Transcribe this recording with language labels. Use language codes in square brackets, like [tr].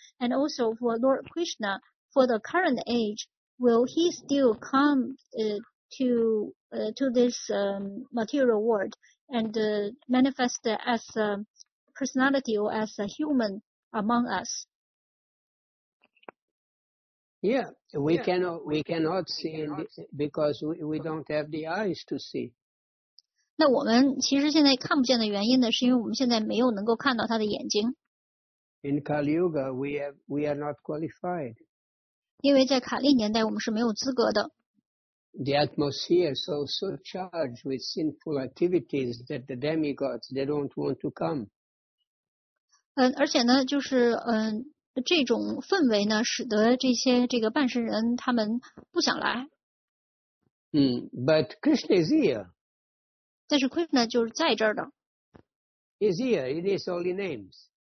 [en] And also for Lord Krishna, for the current age, will he still come to this material world and manifest as a personality or as a human among us? cannot see because we don't have the eyes to see. [zh] 那我们其实现在看不见的原因呢，是因为我们现在没有能够看到他的眼睛。 [en] In Kali Yuga, we are not qualified. [zh] 因为在卡利年代，我们是没有资格的。 [en] The atmosphere is so charged with sinful activities that the demigods they don't want to come. [zh] 而且呢，就是这种氛围呢，使得这些这个半神人他们不想来。 [en] But Krishna is here. [zh] 但是 Krishna 就是在这儿的。 [en] Is here? It is only names.